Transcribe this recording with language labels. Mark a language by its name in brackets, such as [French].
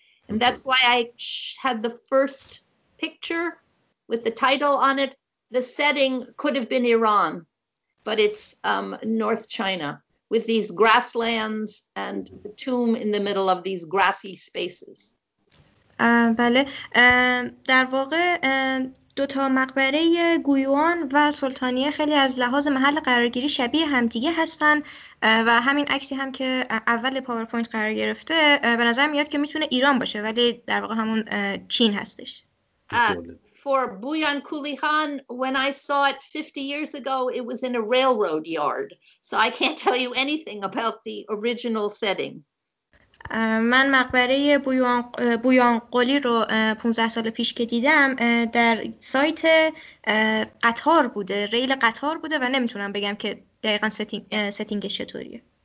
[English] And that's why I had the first picture with the title on it. The setting could have been Iran, but it's North China with these grasslands and the tomb in the middle of these grassy spaces. [Persian] بله در واقع دوتا مقبره گویوان و سلطانیه خیلی از لحاظ محل قرارگیری شبیه همدیگه هستن و همین عکسی هم که اول پاورپوینت قرار گرفته به نظر میاد که میتونه ایران باشه ولی در واقع همون چین هستش. [English] For Buyan Kuli Khan, when I saw it 50 years ago, it was in a railroad yard. So I can't tell you anything about the original setting. [Persian] من مقبره بویان قلی رو 15 سال پیش که دیدم در سایت قطار بوده، ریل قطار بوده و نمیتونم بگم که دقیقاً ستینگش چطوریه.